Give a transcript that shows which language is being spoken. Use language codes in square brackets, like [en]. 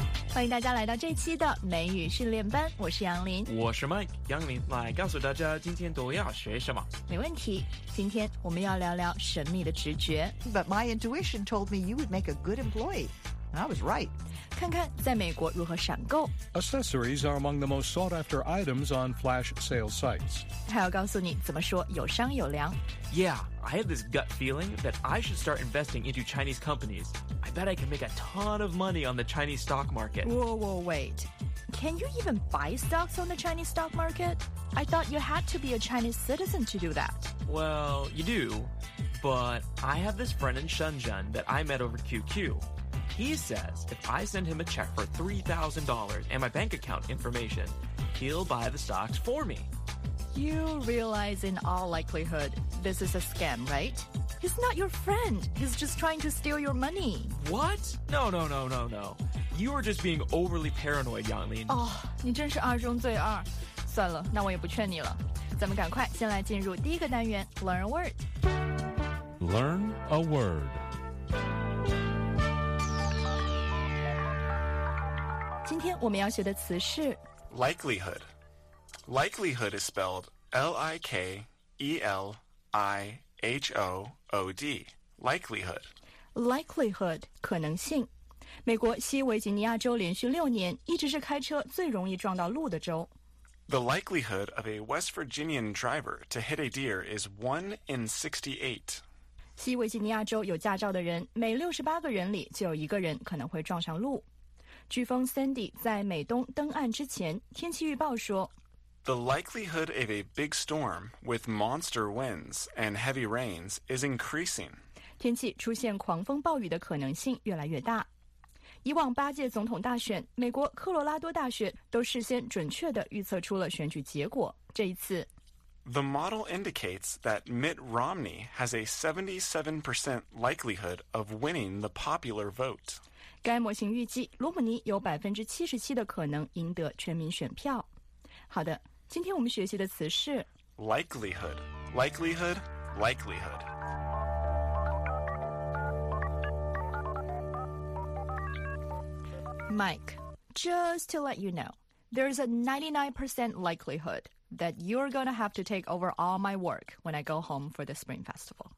[zh] 欢迎大家来到这期的美语训练班，我是杨林，我是 Mike 杨林，来告诉大家今天都要学什么。没问题，今天我们要聊聊神秘的直觉。 [en] But my intuition told me you would make a good employee. I was right. [zh] 看看在美国如何闪购。 [en] Accessories are among the most sought after items on flash sale sites. [zh] 还要告诉你怎么说有商有量。 [en] Yeah, I had this gut feeling that I should start investing into Chinese companies. I bet I can make a ton of money on the Chinese stock market. Whoa, whoa, wait. Can you even buy stocks on the Chinese stock market? I thought you had to be a Chinese citizen to do that. Well, you do. But I have this friend in Shenzhen that I met over QQ. He says if I send him a check for $3,000 and my bank account information, he'll buy the stocks for me. You realize in all likelihood, this is a scam, right? He's not your friend. He's just trying to steal your money. What? No, no, no, no, no. You are just being overly paranoid, Yanglin. [zh] Oh, 你真是二中最二。算了，那我也不劝你了。咱们赶快先来进入第一个单元 [en] Learn a Word. Learn a Word. [zh] 今天我们要学的词是 [en] likelihood. Likelihood is spelled L-I-K-E-L-I-H-O-O-D. Likelihood. [zh] Likelihood, 可能性。美国西维吉尼亚州连续六年一直是开车最容易撞到鹿的州。 [en] The likelihood of a West Virginian driver to hit a deer is 1 in 68. [zh] 西维吉尼亚州有驾照的人每68个人里就有一个人可能会撞上鹿。飓风 Sandy 在美东登岸之前，天气预报说 [en] The likelihood of a big storm with monster winds and heavy rains is increasing. [zh] 天气出现狂风暴雨的可能性越来越大。以往八届总统大选，美国科罗拉多大学都事先准确地预测出了选举结果。这一次 [en] The model indicates that Mitt Romney has a 77% likelihood of winning the popular vote. [zh] 该模型预计罗姆尼有77%的可能赢得全民选票。好的，今天我们学习的词是 [en] likelihood, likelihood, likelihood. Mike, just to let you know, there's a 99% likelihood that you're going to have to take over all my work when I go home for the Spring Festival.